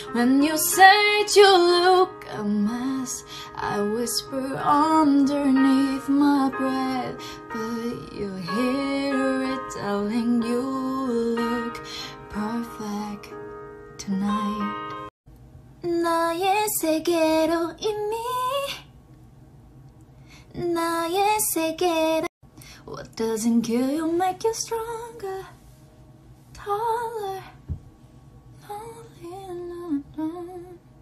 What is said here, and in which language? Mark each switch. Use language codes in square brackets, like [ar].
[en] When you said you look a mess, I whisper underneath my breath, but you hear it, darling, you look perfect tonight. [ko] 나의 세계로 이미 나의 세계로. [en] What doesn't kill you make you stronger, taller, lonely and alone.